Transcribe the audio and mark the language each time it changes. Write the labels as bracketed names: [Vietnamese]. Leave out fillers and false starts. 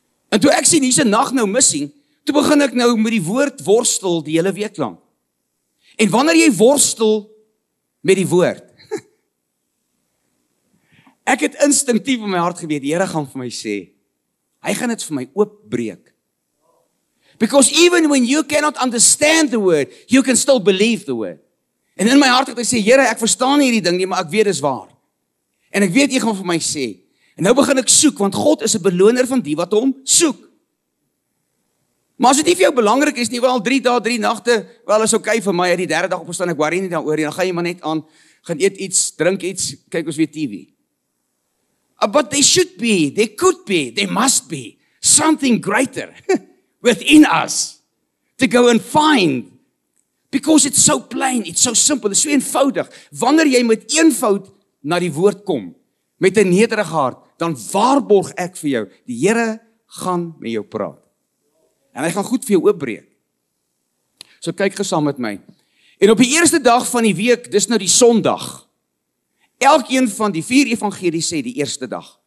[Afrikaans] En toe ek sien hierdie nag nou missing, toe begin ek nou met die woord worstel die hele week lang. En wanneer jy worstel met die woord, ek het instinktief in my hart geweet, die Here gaan vir my sê, hy gaan dit vir my oopbreek. [English] Because even when you cannot understand the word, you can still believe the word. [Afrikaans] En in my hart het ek sê, Here, ek verstaan hierdie ding nie, maar ek weet dis waar. En ek weet, jy gaan vir my sê. En nou begin ek soek, want God is 'n beloner van die wat hom soek. Maar as dit nie vir jou belangrik is nie, wel 3 dae, 3 nagte, wel is okay vir my, die derde dag opstaan, ek worry nie daaroor, dan ga jy maar net aan, gaan eet iets, drink iets, kyk ons weer TV. [English] But there should be, there could be, there must be something greater within us to go and find. Because it's so plain, it's so simple, it's so eenvoudig. [Afrikaans] Wanneer jy met eenvoud na die woord kom, met 'n nederige hart, dan waarborg ek vir jou, die Here gaan met jou praat. En hy gaan goed vir jou oopbreek. So kyk gesaam met my. En op die eerste dag van die week, dis nou die Sondag, elkeen van die vier evangelies sê die eerste dag.